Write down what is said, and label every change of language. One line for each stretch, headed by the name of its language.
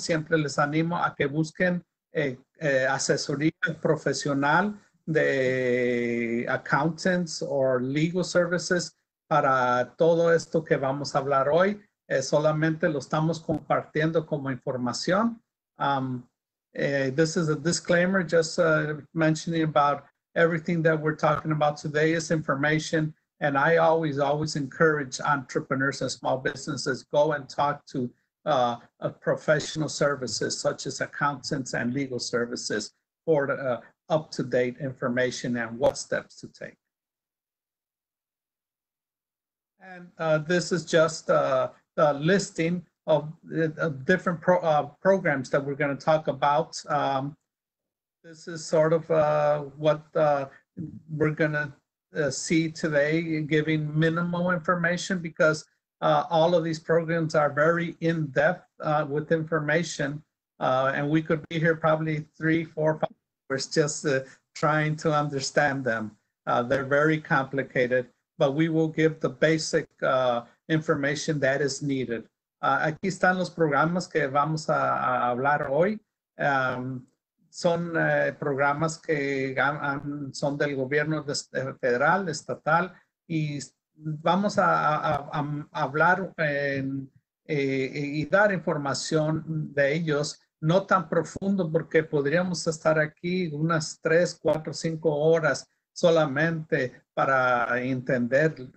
Spanish: Siempre les animo a que busquen asesoría profesional de
English: accountants or legal services
Spanish: para todo esto que vamos a hablar hoy. Solamente lo estamos compartiendo como información.
English: This is a disclaimer, just mentioning about everything that we're talking about today is information. And I always encourage entrepreneurs and small businesses, go and talk to professional services such as accountants and legal services for up-to-date information and what steps to take. And this is just a listing of different programs that we're going to talk about. This is sort of what we're going to see today, giving minimal information, because all of these programs are very in-depth with information, and we could be here probably 3, 4, 5 hours just trying to understand them. They're very complicated, but we will give the basic information that is needed.
Spanish: Aquí están los programas que vamos a hablar hoy. Son programas que son del gobierno federal, estatal, y vamos a hablar y dar información de ellos, no tan profundo, porque podríamos estar aquí unas 3, 4, 5 horas solamente para entender